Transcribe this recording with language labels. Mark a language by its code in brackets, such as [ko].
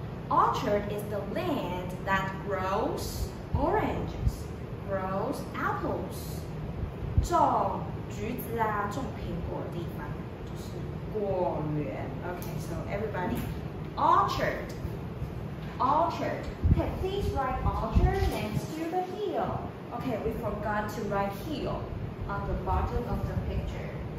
[en] Orchard is the land that grows oranges, grows apples. [zh] 种橘子啊，种苹果的地方就是果园。 [en] Okay, so everybody, orchard, orchard. Okay, please write orchard next to the hill. Okay, we forgot to write hill on the bottom of the picture.